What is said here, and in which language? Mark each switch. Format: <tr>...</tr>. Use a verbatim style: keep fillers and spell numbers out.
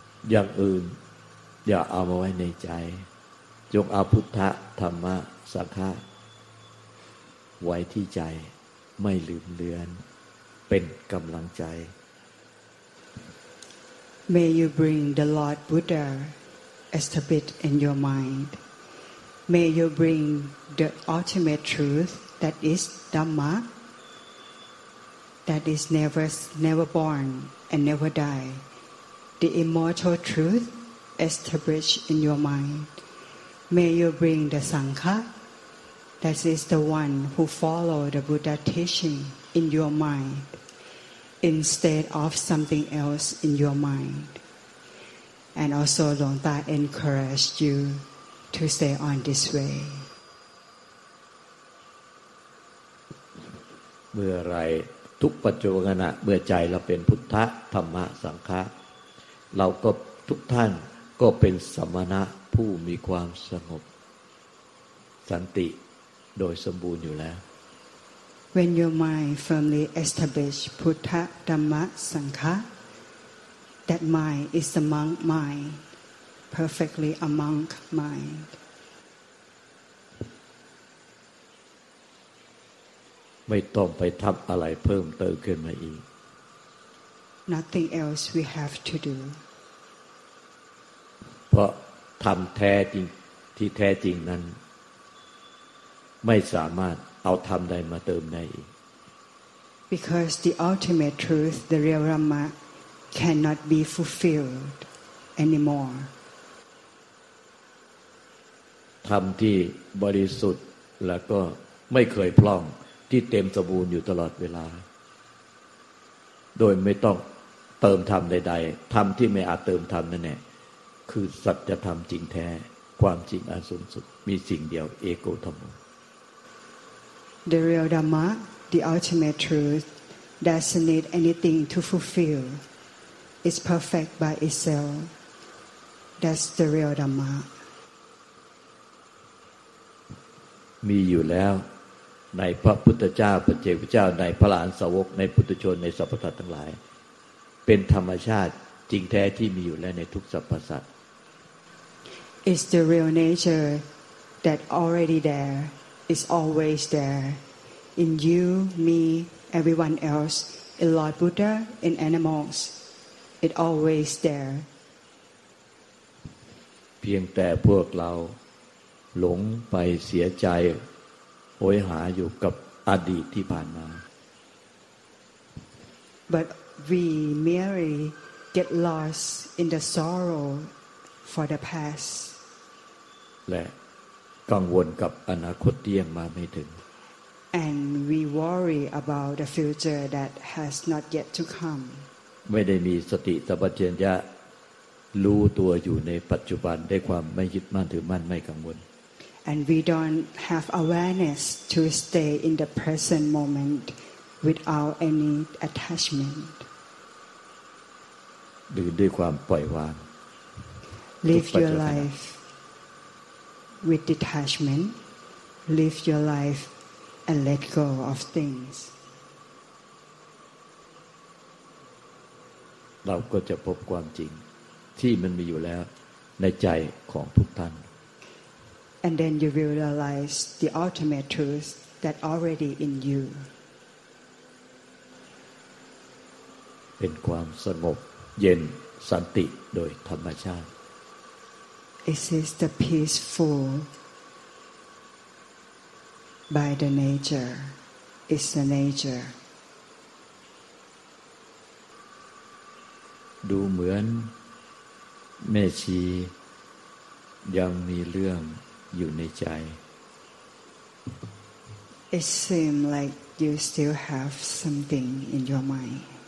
<th>อย่างอื่นอย่าเอามาไว้ในใจจงเอาพุทธะธรรมะสังฆะไว้ที่ใจไม่ลืมเลือนเป็นกำลังใจ</th> <en>May you bring the Lord Buddha established in your mind. May you bring the ultimate truth that is Dhamma. That is never, never born and never die. The immortal truth established in your mind. May you bring the Sangha. That is the one who follow the Buddha teaching in your mind, instead of something else in your mind. And also, Longta encouraged you to stay on this way.</en> <th>เมื่อไรทุกปัจจุบันขณะเมื่อใจเราเป็นพุทธะธรรมะสังฆะเราก็ทุกท่านก็เป็นสมณะผู้มีความสงบสันติโดยสมบูรณ์อยู่แล้ว</th> <en>When your mind firmly established Buddha Dhamma Sangha, that mind is the monk mind, perfectly a monk mind.</en> <th>ไม่ต้องไปทำอะไรเพิ่มเติมขึ้นมาอีก</th> <en>Nothing else we have to do</en> <th>เพราะทำแท้จริงที่แท้จริงนั้นไม่สามารถเอาทำใดมาเติมได้อีก</th> <en>Because the ultimate truth, the real Dhamma, cannot be fulfilled anymore.</en> <th>ธรรมที่บริสุทธิ์แล้วก็ไม่เคยพร่องที่เต็มสมบูรณ์อยู่ตลอดเวลาโดยไม่ต้องเติมธรรมใดๆธรรมที่ไม่อาจเติมธรรมนั่นแหละคือสัจธรรมจริงแท้ความจริงอันสูงสุดมีสิ่งเดียวเอโกธัมโม</th> <en>The real Dhamma, the ultimate truth, doesn't need anything to fulfill. It's perfect by itself. That's the real Dhamma.</en> <th>มีอยู่แล้วในพระพุทธเจ้าปัจเจกพุทธเจ้าในพระอรหันตสาวกในพุทธชนในสรรพสัตว์ทั้งหลายเป็นธรรมชาติจริงแท้ที่มีอยู่แล้วในทุกสรรพสัตว์</th> <en>It's the real nature that already there is always there in you, me, everyone else, in Lord Buddha, in animals, it always there.</en> <th>เพียงแต่พวกเราหลงไปเสียใจโหยหาอยู่กับอดีตที่ผ่านมา</th> <en>But we merely get lost in the sorrow for the past.</en> <th>และกังวลกับอนาคตที่ยังมาไม่ถึง</th> <en>And we worry about the future that has not yet to come.</en> <th>ไม่ได้มีสติสัมปชัญญะรู้ตัวอยู่ในปัจจุบันได้ความไม่ยึดมั่นถือมั่นไม่กังวล</th> <en>And we don't have awareness to stay in the present moment without any attachment.</en> <th>ดื่มด้วยความปล่อยวาง</th> <en>Live your life with detachment. Live your life and let go of things.</en> <th>เราก็จะพบความจริงที่มันมีอยู่แล้วในใจของทุกท่าน</th> <en>And then you will realize the ultimate truth that already in you.</en> <th>เป็นความสงบเย็นสันติโดยธรรมชาติ</th> <en>It is the peaceful by the nature. It's the nature.</en> <th>ดูเหมือนแม่ชียังมีเรื่องอยู่ในใจ</th> <en>It seems like you still have something in your mind.</en>